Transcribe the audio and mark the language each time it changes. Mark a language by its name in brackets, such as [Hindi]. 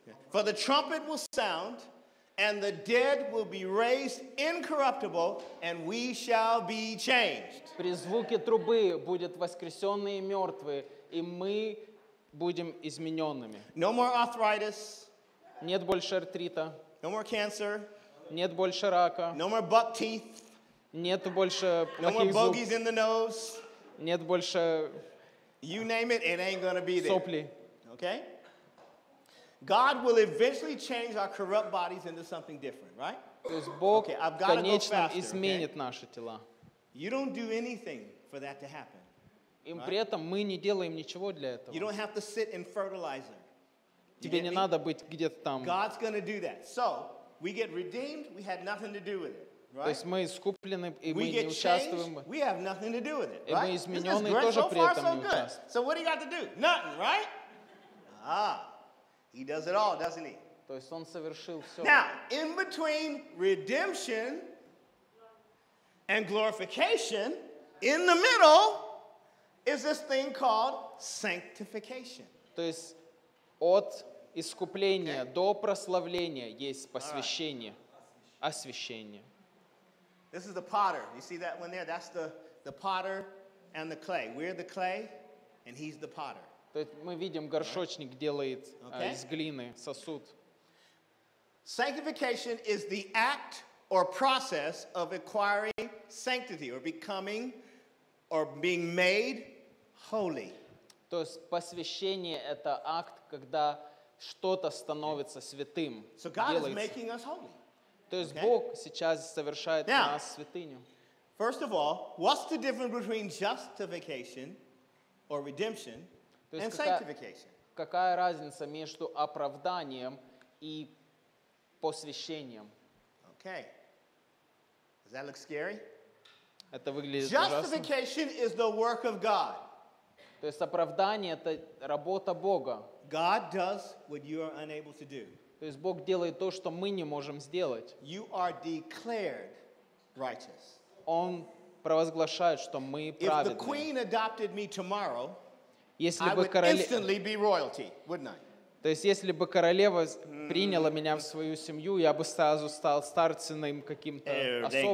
[English] For the trumpet will sound, and the dead will be raised incorruptible, and we shall be changed. [Russian] При звуке трубы будет воскресенные мертвые, и мы будем измененными. [English] No more arthritis. [Russian] Нет больше артрита. [English] No more cancer. [Russian] Нет больше рака. [English] No more buck teeth. [Russian] Нет больше плохих зубов. [English] No more bogies in the nose. [Russian] Нет больше. [English] You name it, it ain't gonna be there. [Russian] Сопли. [English] Okay. God will eventually change our corrupt bodies into something different, right? Okay, I've got to go faster. [Russian] Изменит наши тела. [English] You don't do anything for that to happen. [Russian] И при этом мы не делаем ничего для этого. [English] You don't have to sit in fertilizer. [Russian] Тебе не надо быть где-то там. [English] God's going to do that. So, we get redeemed, we had nothing to do with it, right? [Russian] То есть мы искуплены, и мы не участвуем. [English] We have nothing to do with it, right? [Russian] И мы изменённые тоже при этом не участвуем. [English] So what do you got to do? Nothing, right? He does it all, doesn't he? [Russian] То есть он совершил все. [English] Now, in between redemption and glorification, in the middle is this thing called sanctification. [Russian] То есть от искупления до прославления есть посвящение, освящение. [English] This is the potter. You see that one there? That's the potter and the clay. We're the clay, and he's the potter. [Russian] То есть мы видим, горшочник делает из глины сосуд. [English] Sanctification is the act or process of acquiring sanctity or becoming or being made holy. [Russian] То есть посвящение — это акт, когда что-то становится святым. [English] So God is making us holy. [Russian] То есть Бог сейчас совершает нас святыню. [English] First of all, what's the difference between justification or redemption and sanctification? [Russian] Какая разница между оправданием и посвящением? [English] Okay. Does that look scary? [Russian] Это выглядит ужасно. [English] Justification is the work of God. [Russian] То есть оправдание это работа Бога. [English] God does what you are unable to do. [Russian] То есть Бог делает то, что мы не можем сделать. [English] You are declared righteous. [Russian] Он провозглашает, что мы праведны. [English] If the queen adopted me tomorrow, [Russian] если бы [English] I would instantly be royalty, wouldn't I? [Russian] То есть, если бы королева приняла меня в свою семью, я бы сразу стал старцем каким-то особым.